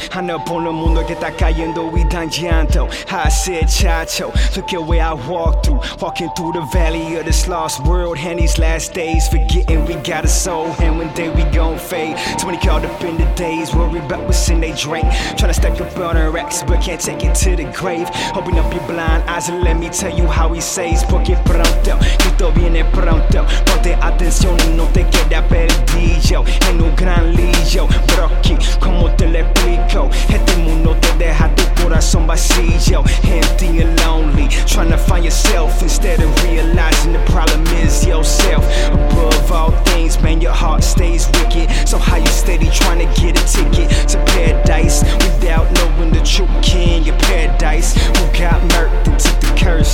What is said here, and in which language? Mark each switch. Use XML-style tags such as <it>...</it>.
<es>Ando por el mundo que está cayendo y tan llanto.</es> <en>I said chacho, look at where I walk through. Walking through the valley of this lost world. And these last days, forgetting we got a soul. And one day we gon' fade. So many caught up in the days, worry about what's in they drink. Tryna stack up on her ex, but can't take it to the grave. Open up your blind eyes and let me tell you how he says.</en> <es>Porque pronto, Cristo viene pronto. Ponte atención y no te queda perdido. En un gran lío, Brocky, ¿cómo te lo explico? Este mundo te deja tu corazón vacío.</es> <en>Empty and lonely, trying to find yourself. Instead of realizing the problem is yourself. Above all things, man, your heart stays wicked. So how you steady trying to get a ticket to paradise? Without knowing the true king of paradise. Who got murked and took the curse?</en>